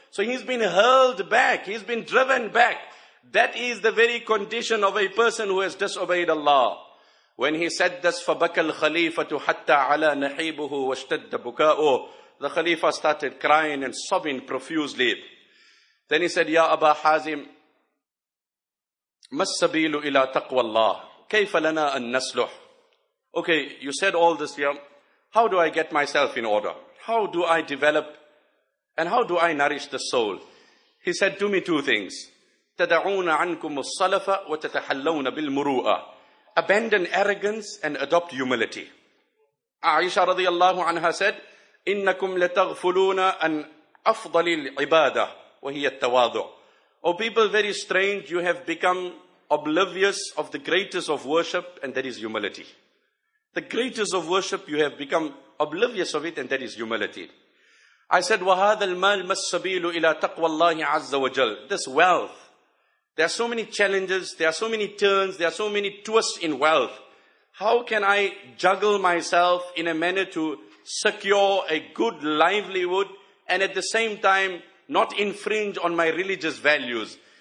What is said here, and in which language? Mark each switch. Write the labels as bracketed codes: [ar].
[en] So he's been hurled back, he's been driven back. That is the very condition of a person who has disobeyed Allah. When he said this, [ar] فَبَكَ الْخَلِيفَةُ حَتَّى عَلَى نَحِيبُهُ وَاشْتَدَّ بُكَاءُهُ, [en] the Khalifa started crying and sobbing profusely. Then he said, [ar] يَا أَبَا حَازِمْ مَا السَّبِيلُ إِلَىٰ تَقْوَى اللَّهِ كَيْفَ لَنَا أَن نَسْلُحْ. [en] Okay, you said all this here. How do I get myself in order? How do I develop? And how do I nourish the soul? He said, do me two things. [ar] تَدَعُونَ عَنْكُمُ الصَّلَفَ وَتَتَحَلَّوْنَ بِالْمُرُوءَ. [en] Abandon arrogance and adopt humility. Aisha radiallahu anha said, [ar] إِنَّكُمْ لَتَغْفُلُونَ أَنْ أَفْضَلِ الْعِبَادَةِ وَهِيَ التَّوَاضُعُ. [en] O people, very strange, you have become oblivious of the greatest of worship, and that is humility. The greatest of worship, you have become oblivious of it, and that is humility. I said, [ar] وَهَذَا الْمَالِ مَسَّبِيلُ إِلَىٰ تَقْوَى اللَّهِ عَزَّ وَجَلْ. [en] This wealth, there are so many challenges, there are so many turns, there are so many twists in wealth. How can I juggle myself in a manner to secure a good livelihood and at the same time not infringe on my religious values?